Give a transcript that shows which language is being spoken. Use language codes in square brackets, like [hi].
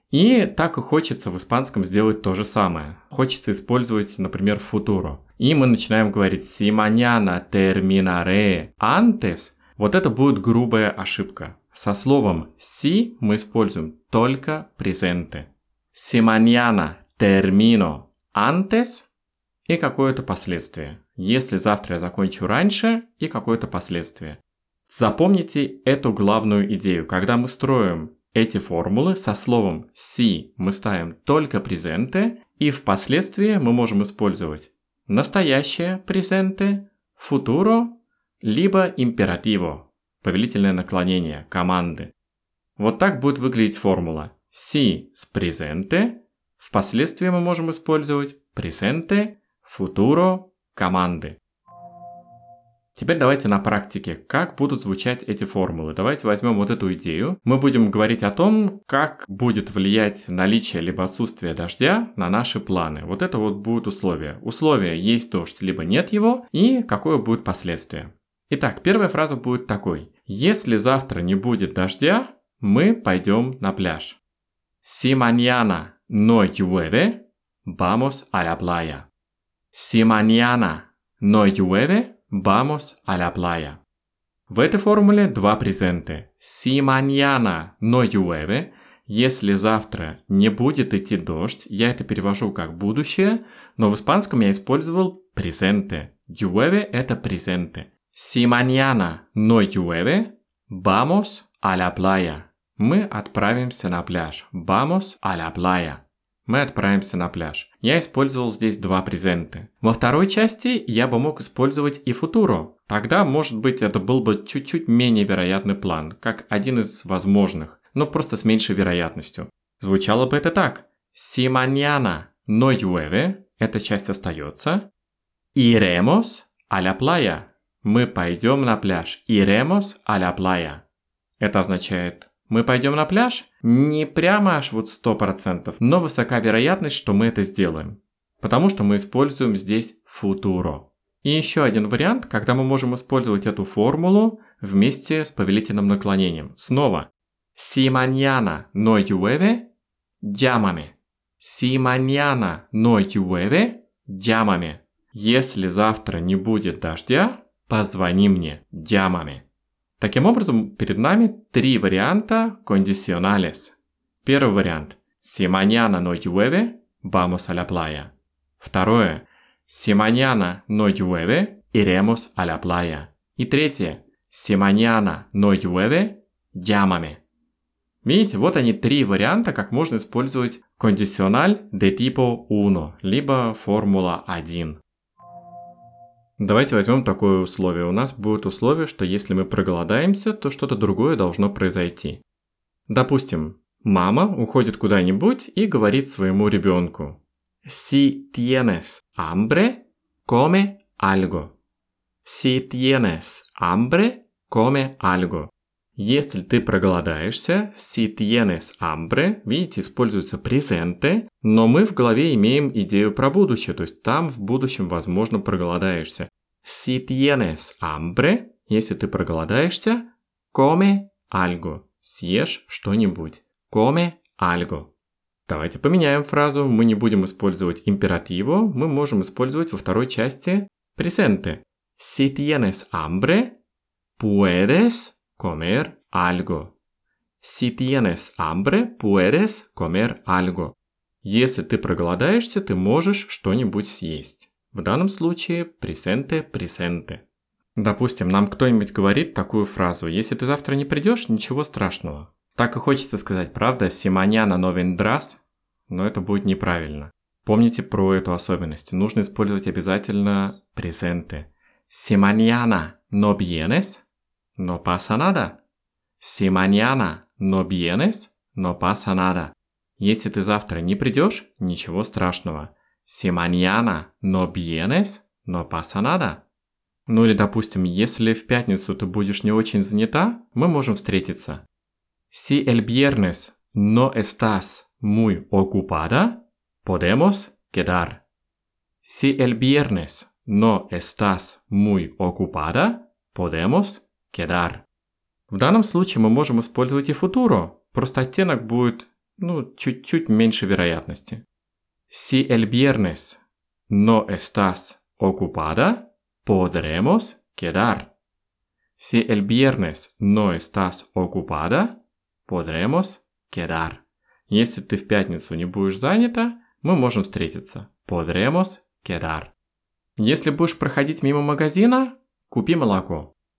[ru] И так и хочется в испанском сделать то же самое. Хочется использовать, например, «футуро». И мы начинаем говорить [es] «si mañana terminaré antes», [ru] вот это будет грубая ошибка. Со словом «si» мы используем только «presente». [es] «Si mañana termino antes» [ru] и какое-то последствие. «Если завтра я закончу раньше» и какое-то последствие. Запомните эту главную идею. Когда мы строим эти формулы, со словом «si» мы ставим только «presente», и впоследствии мы можем использовать настоящее «presente», «futuro», либо «imperativo». Повелительное наклонение, команды. Вот так будет выглядеть формула. Си с презенте. Впоследствии мы можем использовать презенте, футуро, команды. Теперь давайте на практике, как будут звучать эти формулы. Давайте возьмем вот эту идею. Мы будем говорить о том, как будет влиять наличие либо отсутствие дождя на наши планы. Вот это вот будут условия. Условия: есть дождь, либо нет его, и какое будет последствие. Итак, первая фраза будет такой. Если завтра не будет дождя, мы пойдем на пляж. [es] Si mañana no llueve, vamos a la playa. Si mañana no llueve, vamos a la playa. [ru] В этой формуле два презента. [es] Si mañana no llueve, [ru] если завтра не будет идти дождь, я это перевожу как будущее, но в испанском я использовал презенте. Llueve – это презенте. [es] Si mañana no llueve, vamos a la playa. [ru] Мы отправимся на пляж. [es] Vamos a la playa. [ru] Мы отправимся на пляж. Я использовал здесь два презента. Во второй части я бы мог использовать и футуро. Тогда, может быть, это был бы чуть-чуть менее вероятный план, как один из возможных, но просто с меньшей вероятностью. Звучало бы это так. [es] Si mañana no llueve, [ru] эта часть остается. [es] Iremos a la playa. [ru] Мы пойдем на пляж. [es] Iremos a la playa. [ru] Это означает... Мы пойдем на пляж? Не прямо аж вот 100%, но высока вероятность, что мы это сделаем. Потому что мы используем здесь футуро. И еще один вариант, когда мы можем использовать эту формулу вместе с повелительным наклонением. Снова. [es] Si mañana no llueve, llámame. Si mañana no llueve, llámame. [ru] Если завтра не будет дождя, позвони мне, llámame. Таким образом, перед нами три варианта condicionales. Первый вариант. [es] Si mañana no llueve, vamos a la playa. [ru] Второе. [es] Si mañana no llueve, iremos a la playa. [ru] И третье. [es] Si mañana no llueve, llámame. [ru] Видите, вот они три варианта, как можно использовать condicional de tipo 1, либо формула 1. Давайте возьмем такое условие. У нас будет условие, что если мы проголодаемся, то что-то другое должно произойти. Допустим, мама уходит куда-нибудь и говорит своему ребенку: [es] Si tienes hambre, come algo. Si tienes hambre, come algo. [ru] Если ты проголодаешься, [es] si tienes hambre, [ru] видите, используется presente, но мы в голове имеем идею про будущее, то есть там в будущем, возможно, проголодаешься. [es] Si tienes hambre, [ru] если ты проголодаешься, [es] come algo, [ru] съешь что-нибудь. [es] Come algo. [ru] Давайте поменяем фразу, мы не будем использовать императиво, мы можем использовать во второй части presente. [es] Si tienes hambre, puedes comer algo. Si tienes hambre, puedes comer algo. [ru] Если ты проголодаешься, ты можешь что-нибудь съесть. В данном случае presente, presente. Допустим, нам кто-нибудь говорит такую фразу: если ты завтра не придешь, ничего страшного. Так и хочется сказать, правда, [es] si mañana no vendrás, [ru] но это будет неправильно. Помните про эту особенность. Нужно использовать обязательно presente. [es] Si mañana no vienes, no pasa nada. Si mañana no vienes, no pasa nada. [ru] Если ты завтра не придешь, ничего страшного. [es] Si mañana no vienes, no pasa nada. [ru] Ну или, допустим, если в пятницу ты будешь не очень занята, мы можем встретиться. [es] Si el viernes no estás muy ocupada, podemos quedar. Si el viernes no estás muy ocupada, podemos quedar. [ru] В данном случае мы можем использовать и futuro, просто оттенок будет, ну, чуть-чуть меньше вероятности. [es] Si el viernes no estás ocupada, podremos quedar. Si el viernes no estás ocupada, podremos quedar. [ru] Если ты в пятницу не будешь занята, мы можем встретиться. [es] Podremos quedar. [ru] Если будешь проходить мимо магазина, купи молоко.